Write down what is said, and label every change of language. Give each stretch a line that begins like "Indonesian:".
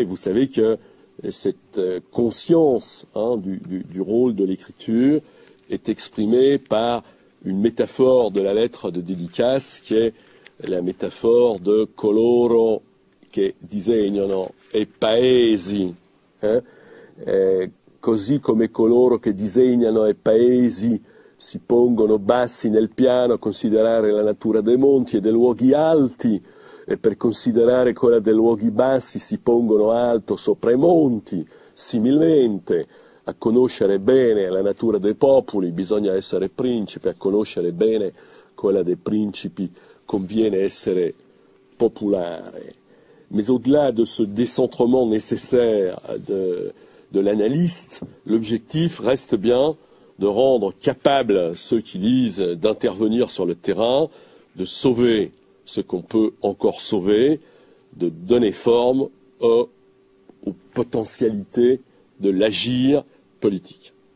French: Et vous savez que cette conscience, hein, du rôle de l'écriture est exprimée par une métaphore de la lettre de dédicace qui est la métaphore de
Italian: coloro che disegnano e paesi.
French: Hein?
Italian: Così come coloro che disegnano e paesi si pongono bassi nel piano a considerare la natura dei monti e dei luoghi alti, e per considerare quella dei luoghi bassi si pongono alto sopra i monti, similmente a conoscere bene la natura dei popoli bisogna essere principi, a conoscere bene quella dei principi conviene essere popolare.
French: Mais au-delà de ce décentrement nécessaire de l'analyste, l'objectif reste bien de rendre capable ceux qui lisent d'intervenir sur le terrain, de sauver ce qu'on peut encore sauver, de donner forme aux potentialités de l'agir politique.